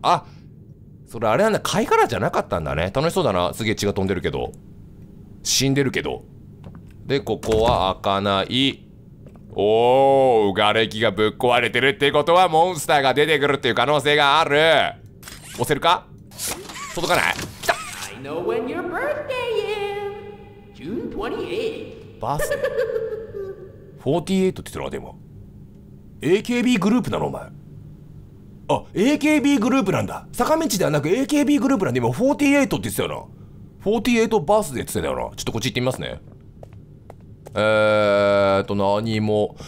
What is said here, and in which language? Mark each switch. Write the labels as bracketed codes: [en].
[ja] あ、それあれなんだ、貝殻じゃなかったんだね。楽しそうだな。すげえ血が飛んでるけど。死んでるけど。で、ここは開かない。おお、瓦礫がぶっ壊れてるってことは、モンスターが出てくるっていう可能性がある。押せるか？届かない。来た。 [en] I know when your birthday is. [ja] June 28th. 48って言ったのか、でも AKB グループなの、お前。あ、AKB グループなんだ。坂道ではなく AKB グループなんだ。今48って言ってたよな。 48バースデーって言ってたよな。ちょっとこっち行ってみますね。何も。